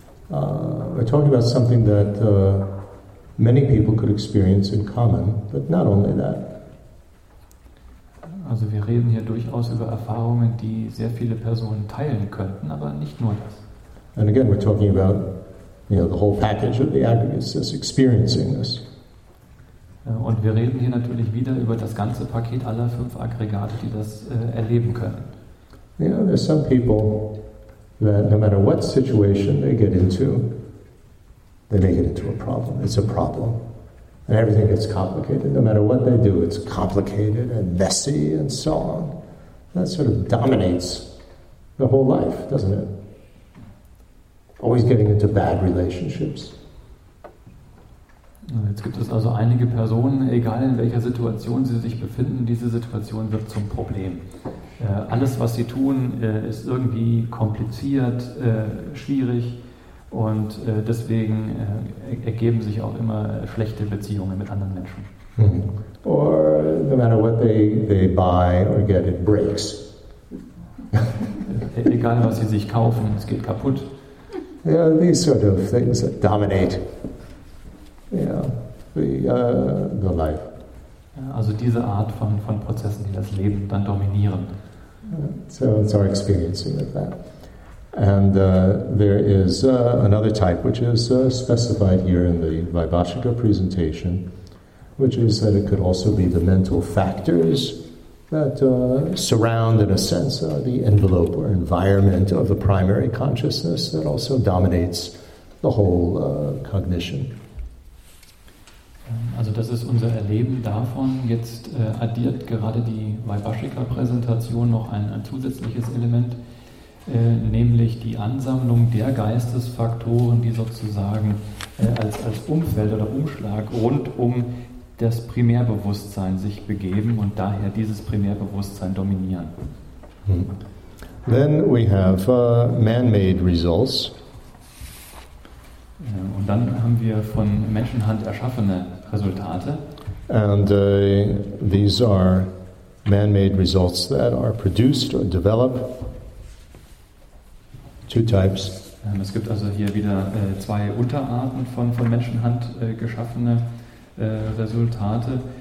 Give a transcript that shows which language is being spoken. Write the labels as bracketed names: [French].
[English] We're talking about something that many people could experience in common, but not only that. [German] Also wir reden hier durchaus über Erfahrungen, die sehr viele Personen teilen könnten, aber nicht nur das. [English] And again, we're talking about, you know, the whole package of the aggregates that's experiencing this. [German] Und wir reden hier natürlich wieder über das ganze Paket aller 5 Aggregate, die das erleben können. [English] Yeah, there's some people that no matter what situation they make it into a problem. It's a problem. And everything gets complicated. No matter what they do, it's complicated and messy and so on. That sort of dominates the whole life, doesn't it? Always getting into bad relationships. [German] Jetzt gibt es also einige Personen, egal in welcher Situation sie sich befinden, diese Situation wird zum Problem. Alles, was sie tun, ist irgendwie kompliziert, schwierig und deswegen ergeben sich auch immer schlechte Beziehungen mit anderen Menschen. Mm-hmm. [English] Or no matter what they buy or get, it breaks. [German] Egal, was sie sich kaufen, es geht kaputt. [English] Yeah, these sort of things that dominate. The life. [German] Also diese Art von Prozessen, die das Leben dann dominieren. [English] So it's our experiencing of that. And there is another type, which is specified here in the Vaibhashika presentation, which is that it could also be the mental factors that surround, in a sense, the envelope or environment of the primary consciousness that also dominates the whole cognition. [German] Also das ist unser Erleben davon. Jetzt addiert gerade die Vaibhashika-Präsentation noch ein zusätzliches Element, nämlich die Ansammlung der Geistesfaktoren, die sozusagen als Umfeld oder Umschlag rund um das Primärbewusstsein sich begeben und daher dieses Primärbewusstsein dominieren. [English] Then we have man-made results. [German] Und dann haben wir von Menschenhand erschaffene Resultate. [English] And these are man-made results that are produced or develop. Two types. [German] Es gibt also hier wieder zwei Unterarten von Menschenhand geschaffene Resultate.